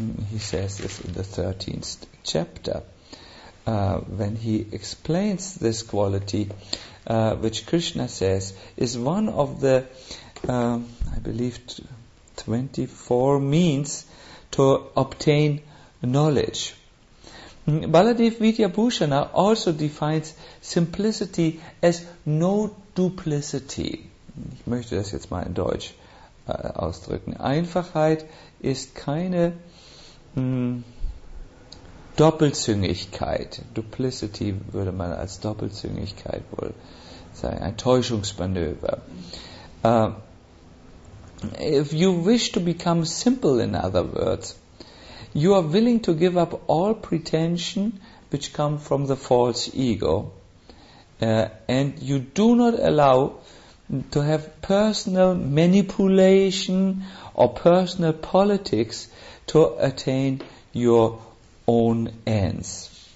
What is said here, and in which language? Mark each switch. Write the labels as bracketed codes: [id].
[en] He says this in the 13th chapter when he explains this quality which Krishna says is one of the, I believe, 24 means to obtain knowledge. Baladev Vidyabhushana also defines simplicity as no duplicity. [de] Ich möchte das jetzt mal in Deutsch ausdrücken. Einfachheit ist keine Doppelzüngigkeit. Duplicity würde man als Doppelzüngigkeit wohl sagen, ein Täuschungsmanöver. [en] If you wish to become simple, in other words, you are willing to give up all pretension which come from the false ego, and you do not allow to have personal manipulation or personal politics to attain your own ends.